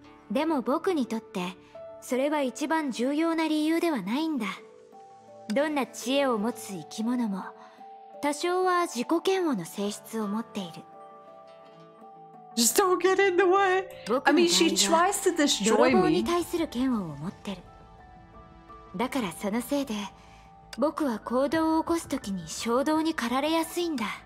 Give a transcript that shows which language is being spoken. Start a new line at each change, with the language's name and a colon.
Japanese: でも僕にとってそれは一番重要な理由ではないんだ。どんな知恵を持つ生き物も多少は自己嫌悪の性質を持っている。
English: Just don't get in the way. I mean, she tries to destroy me.
Japanese: 泥棒に対する嫌悪を持ってる。だからそのせいで僕は行動を起こすときに衝動に駆られやすいんだ。